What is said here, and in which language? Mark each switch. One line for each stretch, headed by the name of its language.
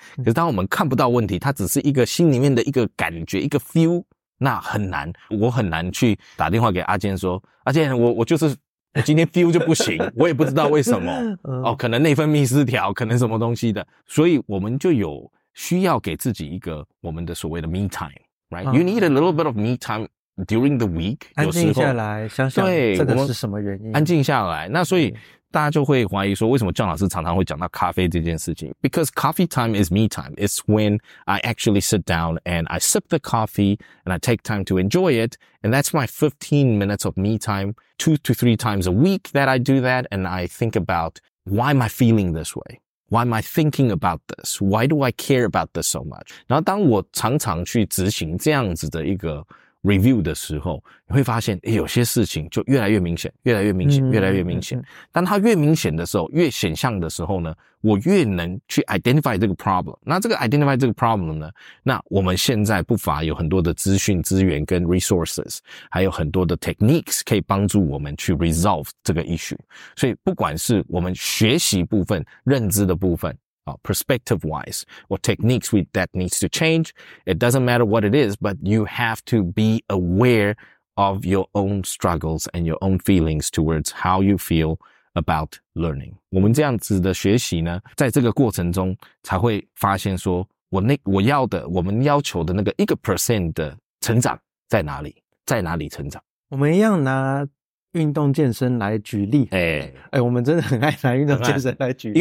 Chinese: 可是当我们看不到问题，它只是一个心里面的一个感觉，一个 feel， 那很难，我很难去打电话给阿健说，阿健，我就是我今天 feel 就不行，我也不知道为什么，哦，可能内分泌失调，可能什么东西的。所以我们就有需要给自己一个我们的所谓的 me time， right？
English: You need a little bit of me time during the week，
Chinese: 安静下来，想想这个是什么原因，安静下来。那所以大家就会怀疑说，为什么John老师常常会讲到咖啡这件事情？
English: Because coffee time is me time. It's when I actually sit down and I sip the coffee and I take time to enjoy it. And that's my 15 minutes of me time, 2 to 3 times a week that I do that. And I think about, why am I feeling this way? Why am I thinking about this? Why do I care about this so much?
Chinese: 然后当我常常去执行这样子的一个review 的时候，你会发现有些事情就越来越明显，越来越明显，越来越明显。当它越明显的时候，越显象的时候呢，我越能去 identify 这个 problem。那这个 identify 这个 problem 呢，那我们现在不乏有很多的资讯资源跟 resources， 还有很多的 techniques 可以帮助我们去 resolve 这个 issue。所以不管是我们学习部分，认知的部分，
English: perspective wise or techniques that needs to change, it doesn't matter what it is, but you have to be aware of your own struggles and your own feelings towards how you feel about learning.
Chinese: 我们这样子的学习呢，在这个过程中才会发现说，我要的，我们要求的那个 1% 的成长在哪里，在哪里成长。我们一样拿运动健身来举例，哎，我们真的很爱拿运动健身来举例，